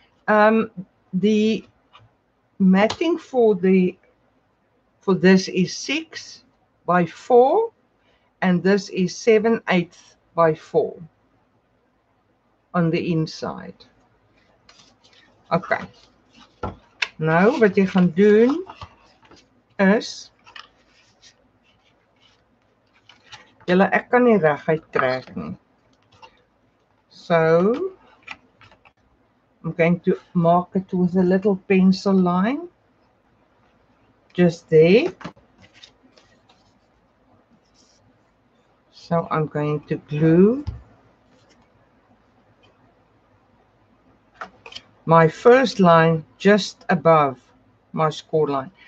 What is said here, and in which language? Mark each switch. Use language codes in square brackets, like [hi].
[en] The matting for the for this is 6 by 4, and this is 7/8 by 4 on the inside. Okay. [af] Nou, wat jy gaan doen is, julle, ek kan nie reg uit trek nie. [en] So, I'm going to mark it with a little pencil line. Just there. So I'm going to glue my first line just above my score line.